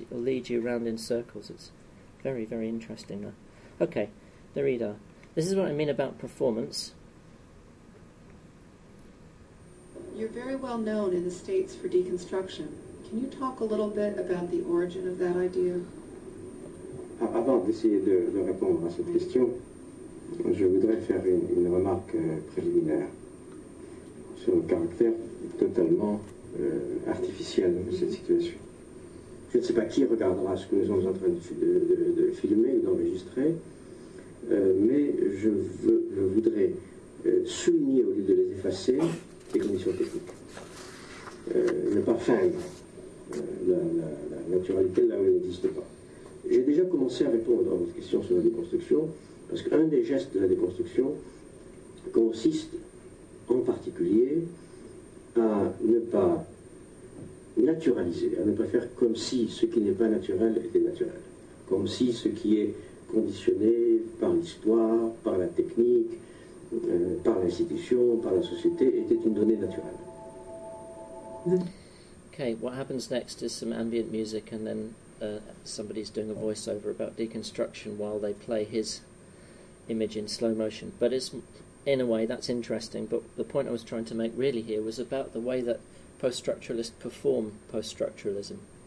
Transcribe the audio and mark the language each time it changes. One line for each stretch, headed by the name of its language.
English: It'll lead you around in circles. It's very, very interesting. Okay, the reader. This is what I mean about performance. You're very well known in the States for deconstruction. Can you talk a little bit about the origin of that idea?
French: Avant d'essayer de répondre à cette question, je voudrais faire une remarque préliminaire sur le caractère totalement artificiel de cette situation. Je ne sais pas qui regardera ce que nous sommes en train de filmer ou d'enregistrer, mais je voudrais souligner, au lieu de les effacer, les conditions techniques. Ne pas feindre la naturalité là où elle n'existe pas. J'ai déjà commencé à répondre à votre question sur la déconstruction, parce qu'un des gestes de la déconstruction consiste en particulier à ne pas naturaliser, à ne pas faire comme si ce qui n'est pas naturel était naturel, comme si ce qui est conditionné par l'histoire, par la technique, par l'institution, par la société, était une donnée naturelle.
English: Okay, what happens next is some ambient music and then somebody's doing a voiceover about deconstruction while they play his image in slow motion. But it's, in a way, that's interesting. But the point I was trying to make really here was about the way that post-structuralists perform post-structuralism.